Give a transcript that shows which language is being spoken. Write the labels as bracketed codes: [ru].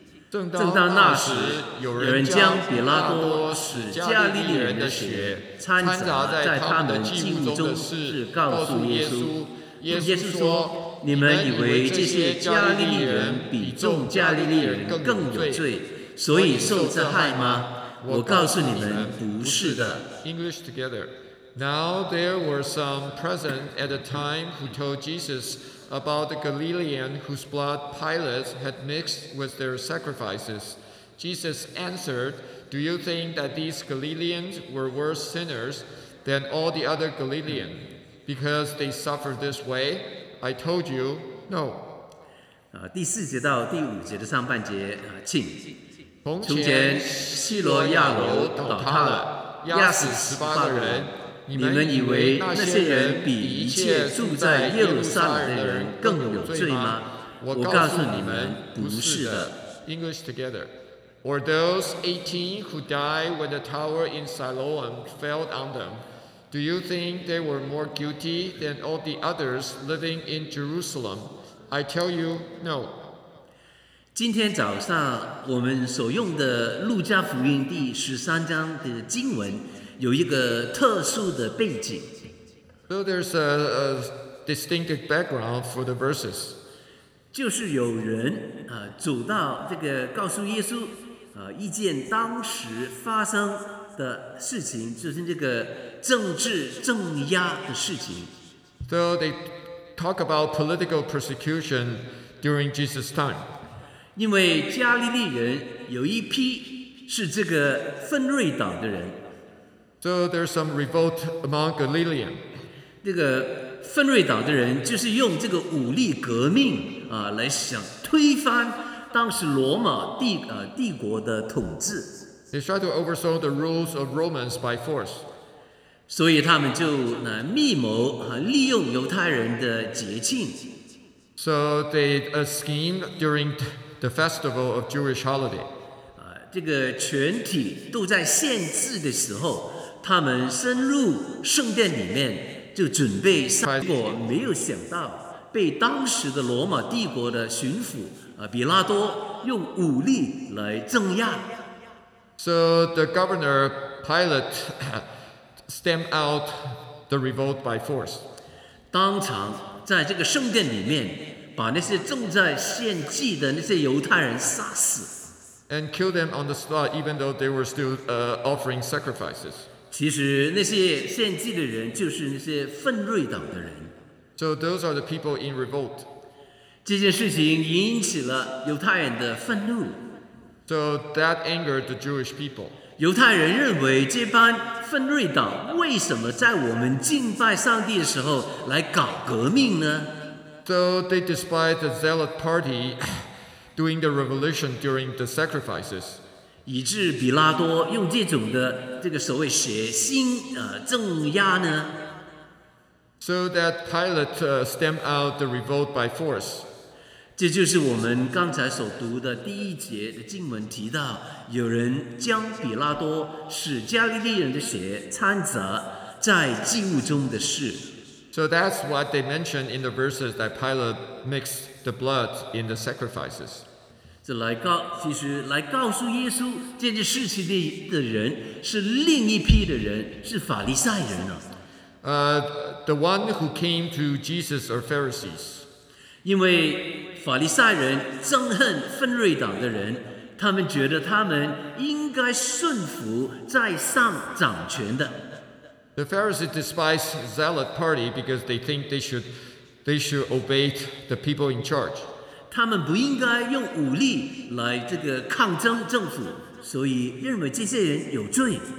[zh] 正当那时，有人将比拉多使加利利人的血掺杂在他们祭物中的事告诉耶稣。耶稣说：“你们以为这些加利利人比众加利利人更有罪，所以受这害吗？我告诉你们，不是的。” [en] English together. Now there were some present at the time who told Jesus. About the Galilean whose blood Pilate had mixed with their sacrifices. Jesus answered, Do you think that these Galileans were worse sinners than all the other Galileans because they suffered this way? I told you, no. [zh] 第四节到第五节的上半节，请。从前希罗亚楼倒塌了，压死18个人，你们以为那些人比一切住在耶路撒冷的人更有罪吗？我告诉你们，不是的。 [en] English together. Or those 18 who died when the tower in Siloam fell on them, do you think they were more guilty than all the others living in Jerusalem? I tell you, no. [zh] 今天早上我们所用的路加福音第13章的经文有一个特殊的背景。 [en] So there's a distinctive background for the verses. [zh] 就是有人走到这个告诉耶稣一件当时发生的事情，就是这个政治镇压的事情。 [en] So they talk about political persecution during Jesus' time. [zh] 因为加利利人有一批是这个分锐党的人。 [en] So there's some revolt among Galilean. [zh] 这个分锐党的人就是用这个武力革命来想推翻当时罗马帝国的统治。 [en] They try to overthrow the rules of Romans by force. [zh] 所以他们就密谋利用犹太人的节庆。 [en] So they scheme during the festival of Jewish holiday. [zh] 这个全体都在献祭的时候，他们深入圣殿里面就准备杀，结果没有想到被当时的罗马帝国的巡抚比拉多用武力来镇压。 [en] So the governor Pilate stamped out the revolt by force. [zh] 当场在这个圣殿里面把那些正在献祭的那些犹太人杀死。 [en] And killed them on the spot even though they were still offering sacrifices. [zh] 其实那些献祭的人就是那些分锐党的人。 [en] So those are the people in revolt. [zh] 这件事情引起了犹太人的愤怒。 [en] So that angered the Jewish people. [zh] 犹太人认为这帮分锐党为什么在我们敬拜上帝的时候来搞革命呢？ [en] So they despised the zealot party doing the revolution during the sacrifices. [zh] 以致比拉多用这种的这个所谓血腥镇压呢 [en] ？So that Pilate stamped out the revolt by force. [zh] 这就是我们刚才所读的第一节的经文提到，有人将比拉多使加利利人的血掺杂在祭物中的事。 [en] So that's what they mentioned in the verses that Pilate mixed the blood in the sacrifices. [zh] 其实来告诉耶稣这件事情的人是另一批的人，是法利赛人啊。 [en] The one who came to Jesus are Pharisees. [zh] 因为法利赛人憎恨分锐党的人，他们觉得他们应该顺服在上掌权的。 [en] The Pharisees despise zealot party because they think they should obey the people in charge. [zh] 他们不应该用武力来这个抗争政府，所以认为这些人有罪。